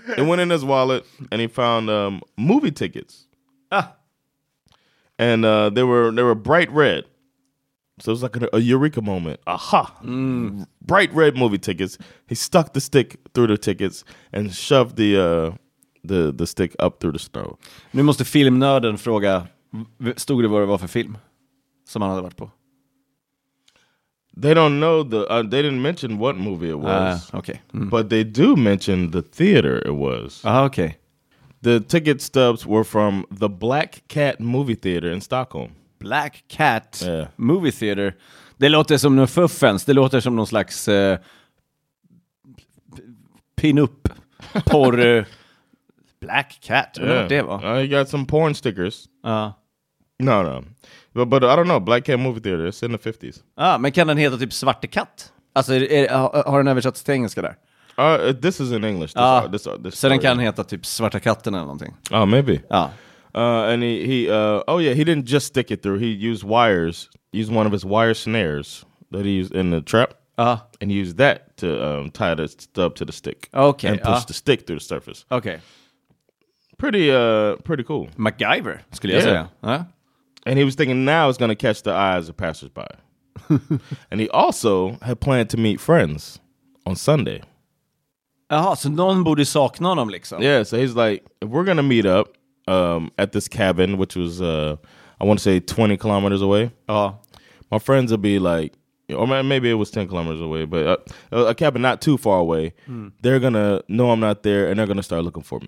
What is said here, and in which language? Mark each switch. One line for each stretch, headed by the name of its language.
English: It went in his wallet and he found movie tickets. Ah. And they were bright red. So it was like a eureka moment. Aha! Mm. Bright red movie tickets. He stuck the stick through the tickets and shoved the stick up through the snow.
Swedish: Nu måste filmnörden fråga, stod det vad det var för film som han hade varit på?
English: They don't know they didn't mention what movie it was. Okay. Mm. But they do mention the theater it was. Okay. The ticket stubs were from the Black Cat movie theater in Stockholm. Black Cat movie theater.
Swedish: Det låter som någon fuffens. Det låter som någon slags pin-up porr. Black Cat. Det var.
English: You got some porn stickers. No. But I don't know. Black Cat movie theater. It's in the 50s.
Swedish: Men kan den heta typ Svarte Katt? Alltså, har den översatts till engelska där?
English: This is in English. This
Swedish: den kan heta typ Svarta Katten eller någonting.
English: Maybe. Ah. He didn't just stick it through. He used wires. He used one of his wire snares that he used in the trap. And he used that to tie the stub to the stick. Okay. And push the stick through the surface. Okay. Pretty cool.
Swedish: MacGyver, skulle jag säga.
English: And he was thinking now it's going to catch the eyes of passersby. And he also had planned to meet friends on Sunday.
Swedish: Aha, så någon borde sakna honom liksom.
English: Yeah, so he's like, if we're going to meet up at this cabin, which was, I want to say 20 kilometers away. My friends will be like, or maybe it was 10 kilometers away, but a cabin not too far away. Mm. They're going to know I'm not there and they're going to start looking for me.